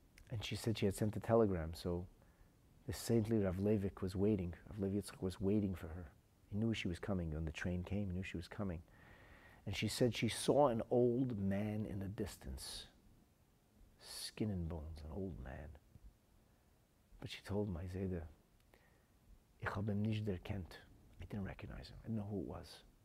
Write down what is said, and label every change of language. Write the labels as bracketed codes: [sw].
[en] And she said she had sent a telegram, so the saintly Rav Levick was waiting, Rav Levitsky was waiting for her. He knew she was coming when the train came, he knew she was coming. And she said she saw an old man in the distance, skin and bones, an old man. But she told my Zayda, [de] Ich hab ihn nicht erkannt. [en] I didn't recognize him. I didn't know who it was.